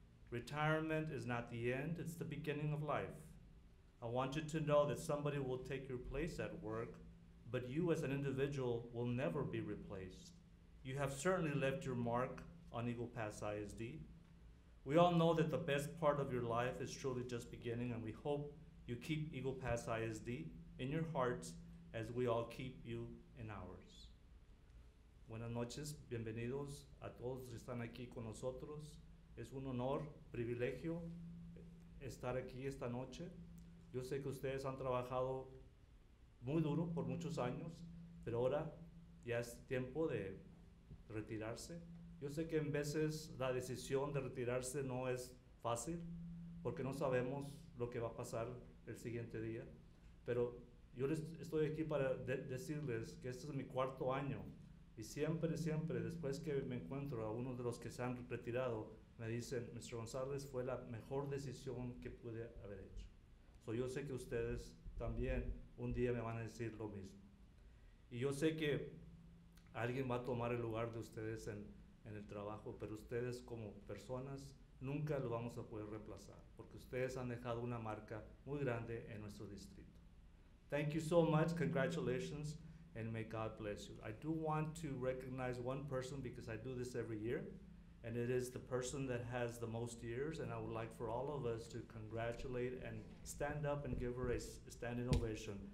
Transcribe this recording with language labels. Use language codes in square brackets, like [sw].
[en] Retirement is not the end, it's the beginning of life. I want you to know that somebody will take your place at work, but you as an individual will never be replaced. You have certainly left your mark on Eagle Pass ISD. We all know that the best part of your life is truly just beginning, and we hope you keep Eagle Pass ISD in your hearts as we all keep you in ours. [es] Buenas noches, bienvenidos a todos que están aquí con nosotros. Es un honor, privilegio estar aquí esta noche. Yo sé que ustedes han trabajado muy duro por muchos años, pero ahora ya es tiempo de retirarse. Yo sé que en veces la decisión de retirarse no es fácil, porque no sabemos lo que va a pasar el siguiente día. Pero yo estoy aquí para decirles que este es mi cuarto año. Y siempre, después que me encuentro a uno de los que se han retirado, me dicen, Mr. González, fue la mejor decisión que pude haber hecho. So yo sé que ustedes también un día me van a decir lo mismo. Y yo sé que alguien va a tomar el lugar de ustedes en el trabajo, pero ustedes como personas nunca lo vamos a poder reemplazar, porque ustedes han dejado una marca muy grande en nuestro distrito. [en] Thank you so much, congratulations, and may God bless you. I do want to recognize one person because I do this every year, and it is the person that has the most years, and I would like for all of us to congratulate and stand up and give her a standing ovation.